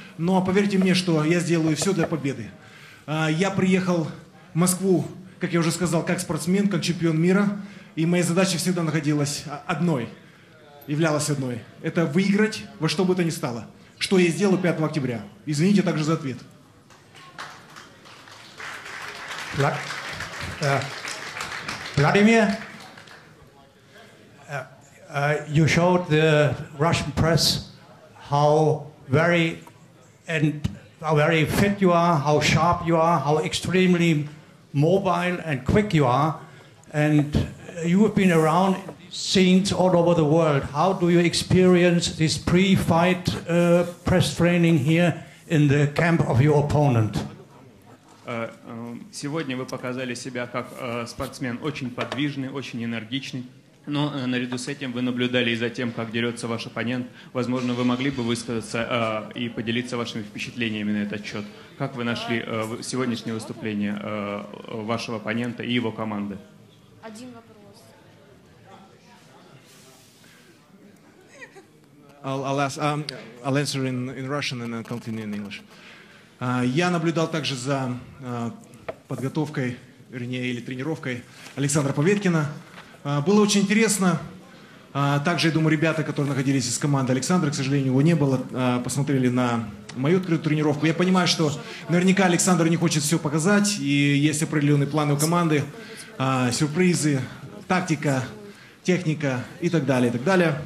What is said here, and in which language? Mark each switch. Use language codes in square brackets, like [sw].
[ru] Но поверьте мне, что я сделаю все для победы. Я приехал в Москву, как я уже сказал, как спортсмен, как чемпион мира. И моя задача всегда находилась одной, являлась одной. Это выиграть во что бы то ни стало. Что я сделал 5 октября. Извините также за ответ. [en] Vladimir, you showed the Russian press how very and how very fit you are, how sharp you are, how extremely mobile and quick you are, and you have been around scenes all over the world. How do you experience this pre-fight press training here in the camp of your opponent? [ru] Сегодня вы показали себя как спортсмен очень подвижный, очень энергичный. Но наряду с этим вы наблюдали и за тем, как дерется ваш оппонент. Возможно, вы могли бы высказаться и поделиться вашими впечатлениями на этот счет. Как вы нашли сегодняшнее выступление вашего оппонента и его команды? Один вопрос. [en] I'll answer in Russian and I'll continue in English. [ru] Я наблюдал также за подготовкой, вернее, или тренировкой Александра Поветкина. Было очень интересно. Также, я думаю, ребята, которые находились из команды Александра, к сожалению, его не было, посмотрели на мою открытую тренировку. Я понимаю, что наверняка Александр не хочет все показать, и есть определенные планы у команды, сюрпризы, тактика, техника и так далее, и так далее.